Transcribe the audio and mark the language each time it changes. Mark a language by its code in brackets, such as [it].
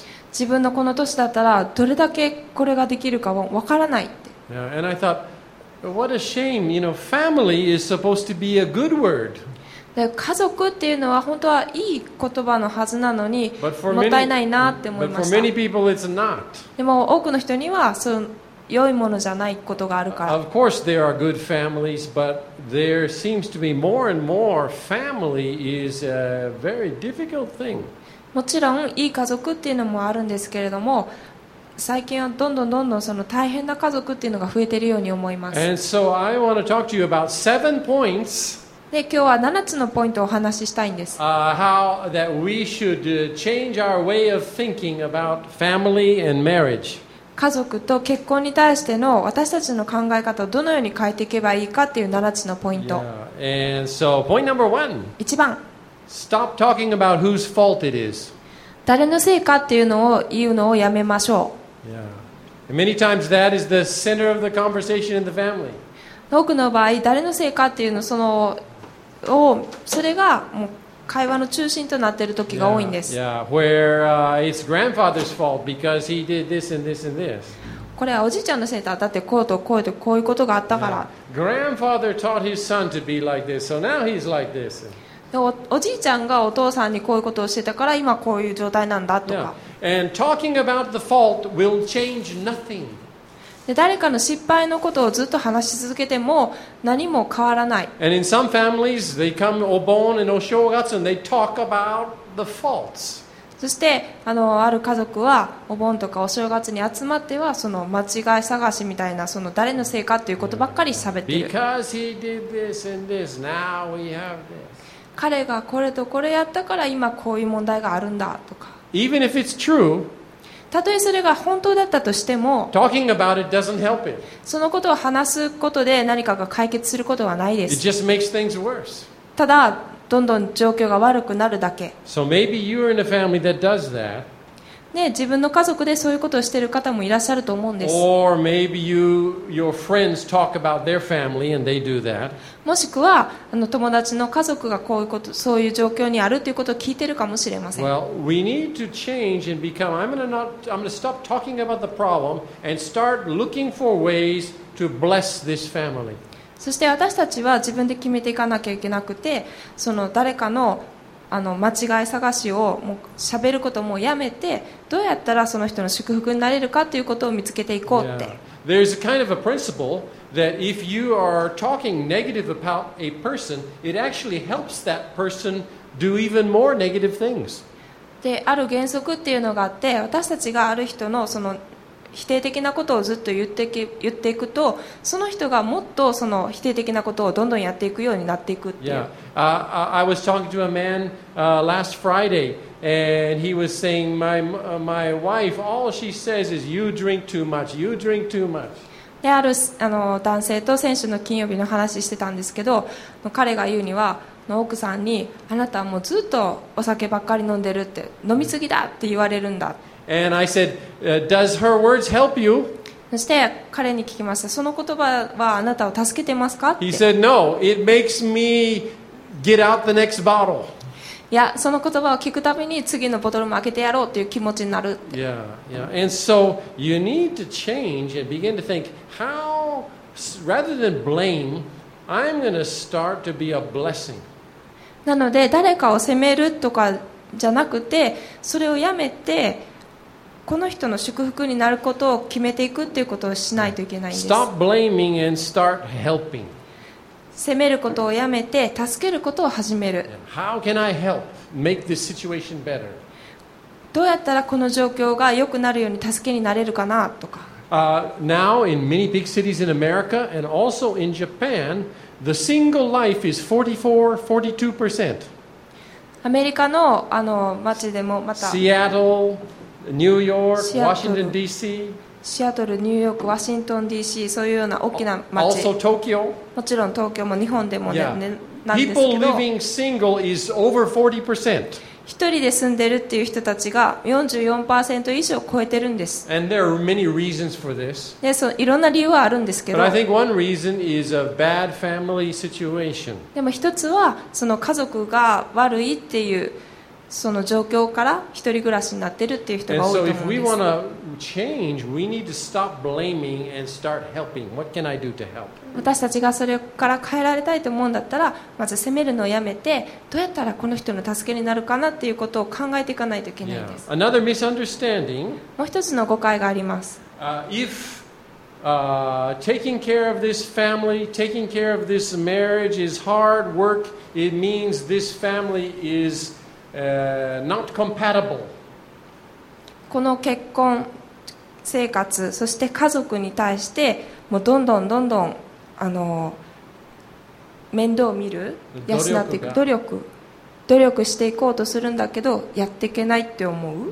[ja] 自分のこの年だったらどれだけこれができるかわからないって。 [en] Yeah, and I thought, what a shame. You know, family is supposed to be a good word. [ja] 家族っていうのは本当はいい言葉のはずなのに、もったいないなって思いました。 [en] But for many people, it's not. [ja] でも多くの人にはその良いものじゃないことがあるから。 [en] Of course there are good families, but there seems to be more and more family is a very difficult thing. [ja] もちろんいい家族っていうのもあるんですけれども、最近はどんどんどんどんその大変な家族っていうのが増えているように思います。 [en] And so I want to talk to you about 7 points. [ja] で今日は7つのポイントをお話ししたいんです。 [en] How that we should change our way of thinking about family and marriage. [ja] 家族と結婚に対しての私たちの考え方をどのように変えていけばいいかという7つのポイント。 [en] Yeah. And so, point number one. [ja] 1番。 [en] Stop talking about whose fault it is. [ja] 誰のせいかっていうのを言うのをやめましょう。 [en] Yeah. Many times that is the center of the conversation in the family. [ja] 多くの場合、誰のせいかっていうのそのをそれがもう会話の中心となっている時が多いんです。 [en] Yeah, where it's grandfather's fault because he did this and this and this. [ja] これはおじいちゃんのせいだ。だってこうとこうとこういうことがあったから。 [en] Grandfather taught his son to be like this, so now he's like this. [ja] おじいちゃんがお父さんにこういうことをしてたから今こういう状態なんだとか。 [en] And talking about the fault will change nothing. [ja] で誰かの失敗のことをずっと話し続けても何も変わらない。 [en] And in some families, they come お盆 and お正月 and they talk about the faults. [ja] そしてある家族はお盆とかお正月に集まってはその間違い探しみたいなその誰のせいかということばっかり喋ってる。 [en] Because he did this and this, now we have this. [ja] 彼がこれとこれやったから今こういう問題があるんだとか。 [en] Even if it's true. [ja] たとえそれが本当だったとしても、 [en] Talking about it doesn't help it. [ja] そのことを話すことで何かが解決することはないです。 [en] It just makes things worse. [ja] ただ、どんどん状況が悪くなるだけ。 [en] So maybe you're in a family that does that. [ja] ね、自分の家族でそういうことをしている方もいらっしゃると思うんです。 [en] Or maybe you, your friends talk about their family and they do that. [ja] もしくは、あの友達の家族がこういうこと、そういう状況にあるということを聞いているかもしれません。 [en] Well, we need to change and become, I'm gonna stop talking about the problem and start looking for ways to bless this family. [ja] そして私たちは自分で決めていかなきゃいけなくて、その誰かのあの間違い探しをもう喋ることもやめて、どうやったらその人の祝福になれるかということを見つけていこうって。 [en] Yeah. There's a kind of a principle that if you are talking negative about a person, it actually helps that person do even more negative things. [ja] で、ある原則っていうのがあって、私たちがある人のその否定的なことをずっと言っていくと、その人がもっとその否定的なことをどんどんやっていくようになっていくっていう。 [en] Yeah. I was talking to a man last Friday, and he was saying, my wife, all she says is, you drink too much, you drink too much. [ja] で、あの男性と先週の金曜日の話してたんですけど、彼が言うには、の奥さんに、あなたはもうずっとお酒ばっかり飲んでるって、飲みすぎだって言われるんだ。 [en] And I said, does her words help you? [ja] そして彼に聞きました。その言葉はあなたを助けてますかって。 [en] He said, no, it makes me get out the next bottle. [ja] いや、その言葉を聞くたびに次のボトルも開けてやろうという気持ちになるって。 [en] Yeah, yeah. And so you need to change and begin to think how, rather than blame, I'm going to start to be a blessing. [ja] なので誰かを責めるとかじゃなくて、それをやめて、この人の祝福になることを決めていくということをしないといけないんです。 [en] Stop blaming and start helping. [ja] 責めることをやめて助けることを始める。 [en] How can I help make this situation better? [ja] どうやったらこの状況が良くなるように助けになれるかなとか。 [en] Now in many big cities in America and also in Japan, the single life is 44-42%. [ja] アメリカの、あの町でもまた。 [en] Seattle. [ja] ニューヨーク、ワシントン DC、シアトル、ニューヨーク、ワシントン DC、そういうような大きな街、 [en] also Tokyo、 [ja] もちろん東京も日本でも、ね、 [en] yeah. [ja] なんですけど、 [en] people living single is over 40%。 [ja] 一人で住んでるっていう人たちが 44% 以上超えてるんです。 [en] And there are many reasons for this。 [ja] で、そういろんな理由はあるんですけど、 [en] but I think one reason is a bad family situation。 [ja] でも一つはその家族が悪いっていう。その状況から一人暮らしになってるっていう人が多いと思うんです。 [en] And so if we want to change, we need to stop blaming and start helping. What can I do to help? [ja] 私たちがそれから変えられたいと思うんだったら、まず責めるのをやめて、どうやったらこの人の助けになるかなっていうことを考えていかないといけないんです。 [en] Yeah. Another misunderstanding. [ja] もう一つの誤解があります。 [en] If taking care of this family, taking care of this marriage is hard work, it means this family isnot compatible. [ja] この結婚生活、そして家族に対して、もうどんどんどんどん、あの面倒を見る、養っていく、努力していこうとするんだけど、やっていけないって思う？